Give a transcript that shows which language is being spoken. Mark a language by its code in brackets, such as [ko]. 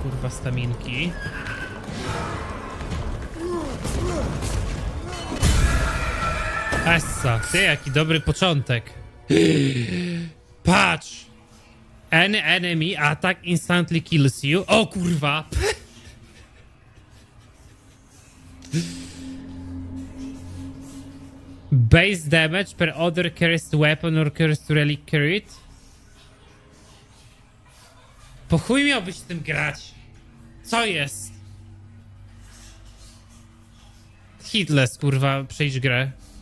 [pl] Staminki. Essa, ty jaki dobry początek. Patrz! [en] An enemy attack instantly kills you. [pl] O kurwa! [en] Base damage per other cursed weapon or cursed relic carried. [pl] Po chuj miałbyś tym grać? Co jest? Hitless, kurwa, przejdź grę.